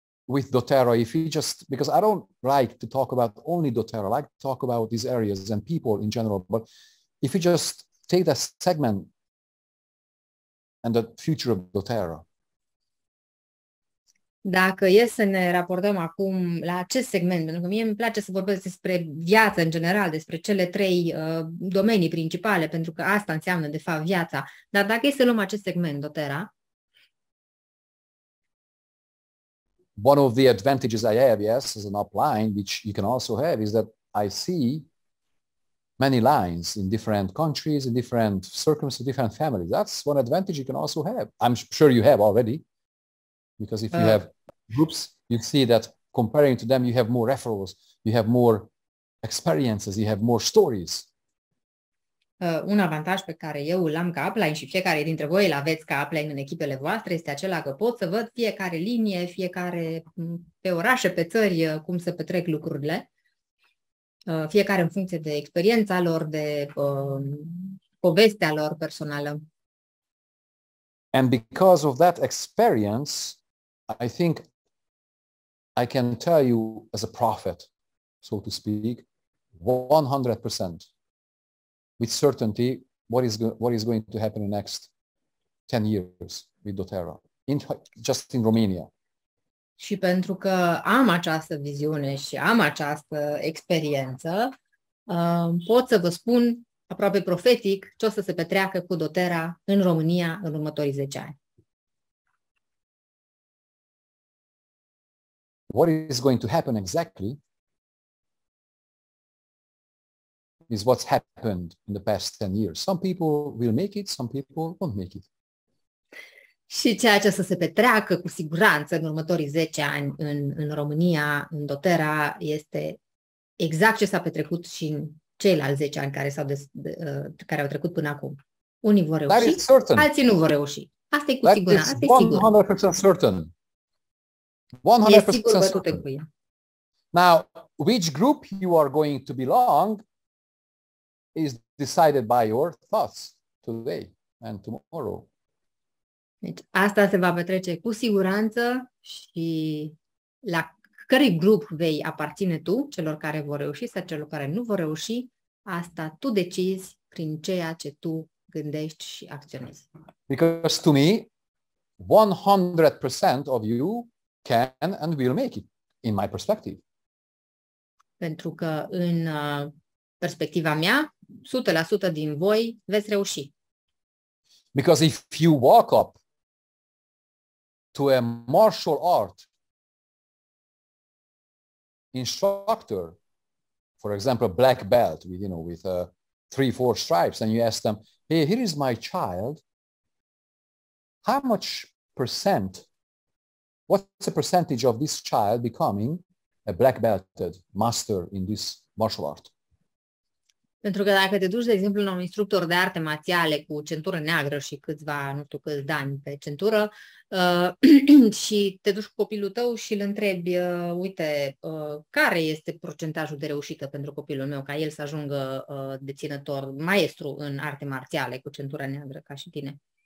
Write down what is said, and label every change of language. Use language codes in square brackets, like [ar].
[en] with doTERRA, if you just, because I don't like to talk about only doTERRA, I like to talk about these areas and people in general, but if you just take that segment and the future of doTERRA. [ro] Dacă e să ne raportăm acum la acest segment, pentru că mie îmi place să vorbesc despre viață în general, despre cele trei domenii principale, pentru că asta înseamnă de fapt viața. Dar dacă e să luăm acest segment, doTERRA, [en] one of the advantages I have, yes, as an upline, which you can also have, is that I see many lines in different countries, in different circumstances, different families. That's one advantage you can also have. I'm sure you have already, because if you have groups, you see that comparing to them, you have more referrals, you have more experiences, you have more stories. [ro] Un avantaj pe care eu îl am ca upline și fiecare dintre voi îl aveți ca upline în echipele voastre este acela că pot să văd fiecare linie, fiecare pe orașe, pe țări, cum se petrec lucrurile, fiecare în funcție de experiența lor, de povestea lor personală. [en] And because of that experience, I think I can tell you as a prophet, so to speak, 100%. With certainty, what is going to happen in the next 10 years with doTERRA, just in Romania. [ro] Și pentru că am această viziune și am această experiență, pot să vă spun aproape profetic ce o să se petreacă cu doTERRA în România în următorii 10 ani. [en] What is going to happen exactly? Is what's happened in the past 10 years. Some people will make it, some people won't make it. [ro] Și ceea ce să se petreacă cu siguranță în următorii 10 ani în România, în doTERRA, este exact ce s-a petrecut și în ceilalți 10 ani care care au trecut până acum. Unii vor reuși, alții nu vor reuși. Asta e cu siguranță. Asta e sigur. [en] 100% certain. 100% certain. Now, which group you are going to belong is decided by your thoughts today and tomorrow. [ro] Deci asta se va petrece cu siguranță și la cărui grup vei aparține tu, celor care vor reuși sau celor care nu vor reuși, asta tu decizi prin ceea ce tu gândești și acționezi. [en] Because to me, 100% of you can and will make it, in my perspective. [ro] Pentru că în perspectiva mea, 100% din voi veți reuși. [en] Because if you walk up to a martial art instructor, for example, black belt, with, you know, with 3-4 stripes, and you ask them, hey, here is my child, how much percent, what's the percentage of this child becoming a black belted master in this martial art? [ro] Pentru că dacă te duci, de exemplu, la un instructor de arte marțiale cu centură neagră și câțiva, nu știu câți dani pe centură, și te duci cu copilul tău și îl întrebi, uite, care este procentajul de reușită pentru copilul meu ca el să ajungă deținător, maestru în arte marțiale cu centură neagră ca și tine?